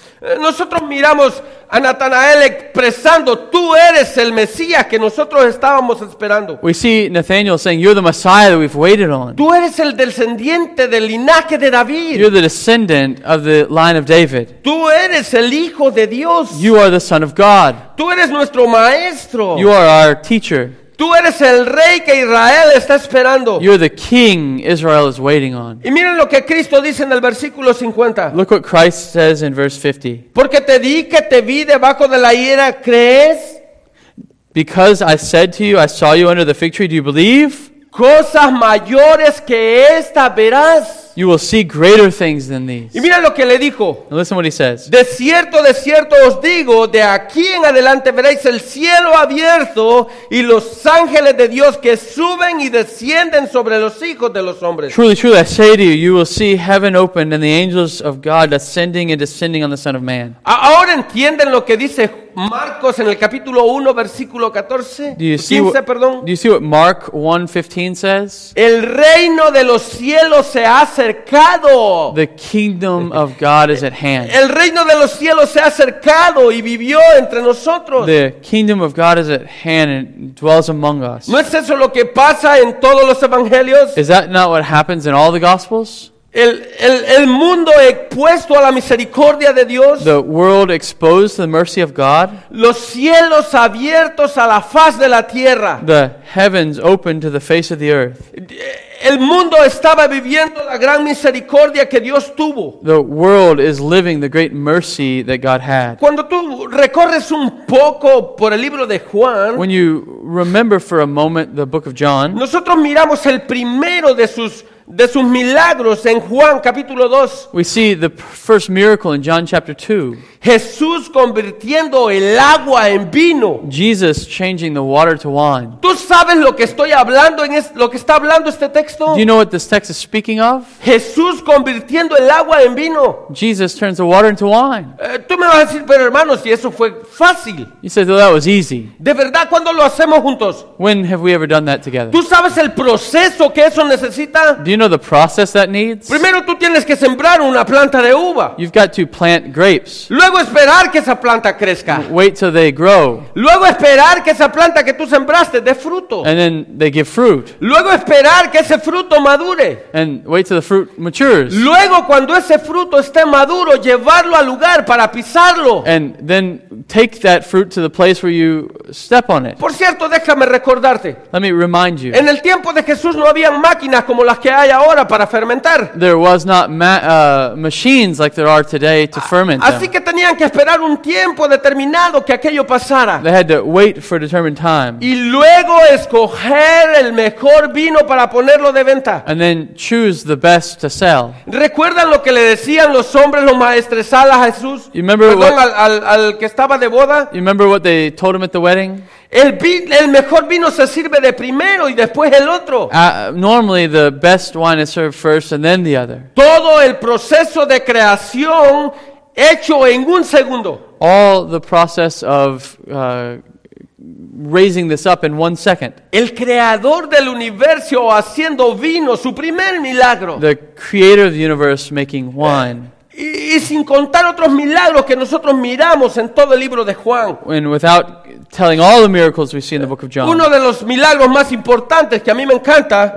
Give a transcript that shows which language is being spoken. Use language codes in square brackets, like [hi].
[es] Nosotros miramos a Natanael expresando, tú eres el Mesías que nosotros estábamos esperando. [en] We see Nathanael saying, you're the Messiah that we've waited on. [es] Tú eres el descendiente del linaje de David. [en] You're the descendant of the line of David. [es] Tú eres el Hijo de Dios. [en] You are the Son of God. [es] Tú eres nuestro maestro. [en] You are our teacher. [es] Tú eres el rey que Israel está esperando. [en] You're the king Israel is waiting on. [es] Y miren lo que Cristo dice en el versículo 50. [en] Look what Christ says in verse 50. [es] Porque te di que te vi debajo de la higuera, ¿crees? [en] Because I said to you, I saw you under the fig tree, do you believe? [es] Cosas mayores que esta verás. [en] You will see greater things than these. [es] Y mira lo que le dijo. [en] And listen what he says. [es] De cierto os digo, de aquí en adelante veréis el cielo abierto y los ángeles de Dios que suben y descienden sobre los hijos de los hombres. [en] Truly, truly, I say to you, you will see heaven open and the angels of God ascending and descending on the Son of Man. [es] Ahora entienden lo que dice Marcos en el capítulo 1, versículo 14. [en] Do you see what Mark 1:15 says? [es] El reino de los cielos se ha acercado. [en] The kingdom of God is at hand. [es] El reino de los cielos se ha acercado y vivió entre nosotros. [en] The kingdom of God is at hand and dwells among us. [es] ¿No es eso lo que pasa en todos los evangelios? [en] Is that not what happens in all the gospels? [es] El mundo expuesto a la misericordia de Dios. [en] The world exposed to the mercy of God. [es] Los cielos abiertos a la faz de la tierra. [en] The heavens open to the face of the earth. [es] El mundo estaba viviendo la gran misericordia que Dios tuvo. [en] The world is living the great mercy that God had. [es] Cuando tú recorres un poco por el libro de Juan, [en] when you remember for a moment the book of John, [es] nosotros miramos el primero de sus milagros en Juan capítulo 2. [en] We see the first miracle in John chapter 2. [es] Jesús convirtiendo el agua en vino. [en] Jesus changing the water to wine. [es] ¿Tú sabes lo que estoy hablando en lo que está hablando este texto? [en] Do you know what this text is speaking of? [es] Jesús convirtiendo el agua en vino. [en] Jesus turns the water into wine. [es] Tú me vas a decir, pero hermano, si eso fue fácil. [en] You say, well, that was easy. [es] ¿De verdad cuándo lo hacemos juntos? [en] When have we ever done that together? [es] ¿Tú sabes el proceso que eso necesita? [en] Do you know the process that needs? [es] Primero tú tienes que sembrar una planta de uva. [en] You've got to plant grapes. [es] Luego esperar que esa planta crezca. [en] Wait till they grow. [es] Luego esperar que esa planta que tú sembraste dé fruto. [en] And then they give fruit. [es] Luego esperar que ese fruto madure. [en] And wait till the fruit matures. [es] Luego cuando ese fruto esté maduro, llevarlo al lugar para pisarlo. [en] And then take that fruit to the place where you step on it. [es] Por cierto, déjame recordarte. [en] Let me remind you. [es] En el tiempo de Jesús no habían máquinas como las que hay ahora para fermentar. [en] There was not machines like there are today to ferment. [es] Así que tenían que esperar un tiempo determinado que aquello pasara. [en] They had to wait for a determined time. [es] Y luego escoger el mejor vino para ponerlo de venta. [en] And then choose the best to sell. [es] ¿Recuerdan lo que le decían los hombres, los maestresalas a Jesús? [en] You remember [es] al que estaba de boda? [en] You remember what they told him at the wedding? [es] El mejor vino se sirve de primero y después el otro. [en] Normally the best wine is served first and then the other. [es] Todo el proceso de creación hecho en un segundo. [en] All the process of raising this up in 1 second. [es] El creador del universo haciendo vino, su primer milagro. [en] The creator of the universe making wine. [es] Y sin contar otros milagros que nosotros miramos en todo el libro de Juan. [en] And without telling all the miracles we see in the book of John. [es] Uno de los milagros más importantes que a mí me encanta.